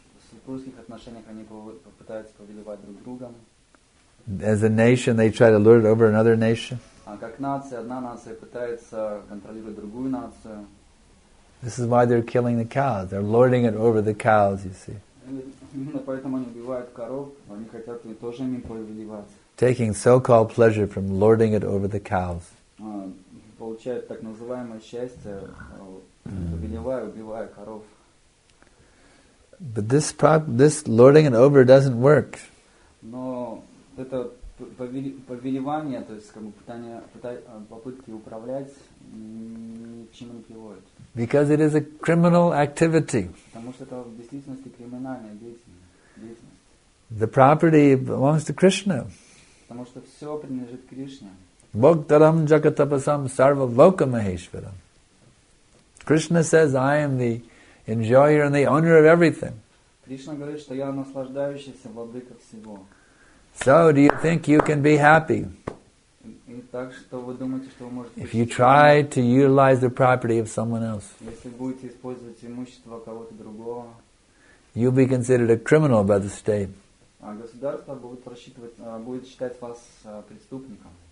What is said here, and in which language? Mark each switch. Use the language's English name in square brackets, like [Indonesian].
[Russian] Супружеских отношениях они пытаются повелевать друг другом. [English] As a nation, they try to lord it over another nation. [Russian] А как нация, одна нация пытается контролировать другую нацию. [English] This is why they're killing the cows. They're lording it over the cows, you see. [Russian] Именно поэтому они убивают коров, они хотят и тоже ими повелевать. [English] Taking so-called pleasure from lording it over the cows. [Russian] Получают так называемое счастье, повелевая, убивая коров. [English] But this lording it over doesn't work. [Russian] Но это повелевание, то есть как бы попытки управлять ни к чему не приводит. [English] Because it is a criminal activity. [Russian] Потому что это в действительности криминальная деятельность. [English] The property belongs to Krishna. [Russian] Потому что все принадлежит Кришне. [Sanskrit] Bhaktaram jagatapasam sarva loka maheshwaram. [English] Krishna says, I am the enjoyer and the owner of everything. [Russian] Кришна говорит, что я наслаждающийся владыка всего. [English] So, do you think you can be happy? [Russian] Так, что вы думаете, что вы можете [English] if you try to utilize the property of someone else, [Russian] если будете использовать имущество кого-то другого, [English] you'll be considered a criminal by the state. [Russian] А государство будет рассчитывать, будет считать вас преступником.